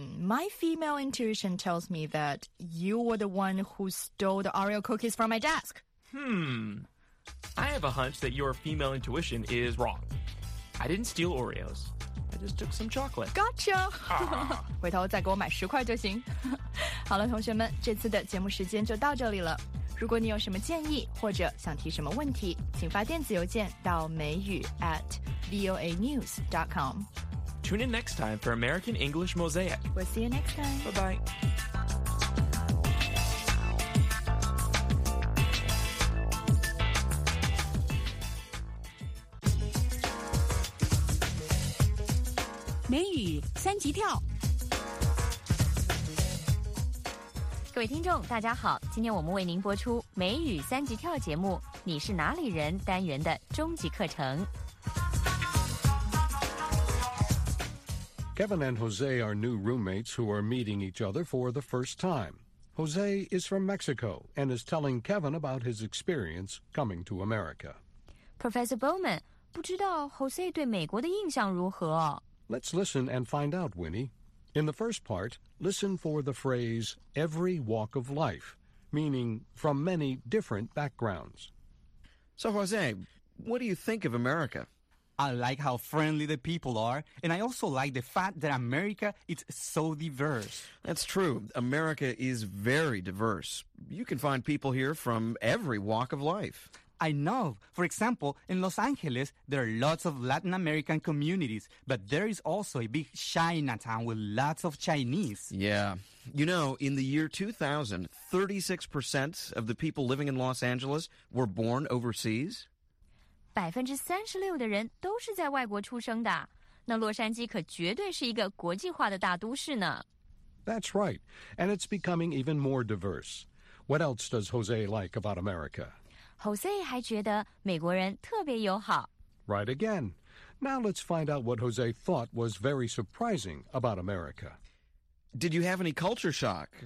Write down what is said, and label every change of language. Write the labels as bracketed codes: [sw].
[en] My female intuition tells me that you were the one who stole the Oreo cookies from my desk. I have a hunch that your female intuition is wrong. I didn't steal Oreos. I just took some chocolate. Gotcha! 、 [zh] 回头再给我买十块就行。好了，同学们，这次的节目时间就到这里了。如果你有什么建议或者想提什么问题，请发电子邮件到美语 @voanews.com. [en] Tune in next time for American English Mosaic. We'll see you next time. Bye-bye. [zh] 美语三级跳。各位听众大家好，今天我们为您播出美语三级跳节目你是哪里人单元的终极课程。 [en] Kevin and Jose are new roommates who are meeting each other for the first time. Jose is from Mexico and is telling Kevin about his experience coming to America. [zh] Professor Bowman, 不知道 Jose 对美国的印象如何？ [en] Let's listen and find out, Winnie. In the first part, listen for the phrase, every walk of life, meaning from many different backgrounds. So, Jose, what do you think of America? I like how friendly the people are, and I also like the fact that America is so diverse. That's true. America is very diverse. You can find people here from every walk of life. I know. For example, in Los Angeles, there are lots of Latin American communities, but there is also a big Chinatown with lots of Chinese. Yeah. You know, in the year 2000, 36% of the people living in Los Angeles were born overseas. [zh] 36% 的人都是在外国出生的，那洛杉矶可绝对是一个国际化的大都市呢。 [en] That's right, and it's becoming even more diverse. What else does Jose like about America? [zh] Jose 还觉得美国人特别友好。 [en] Right again. Now let's find out what Jose thought was very surprising about America. Did you have any culture shock?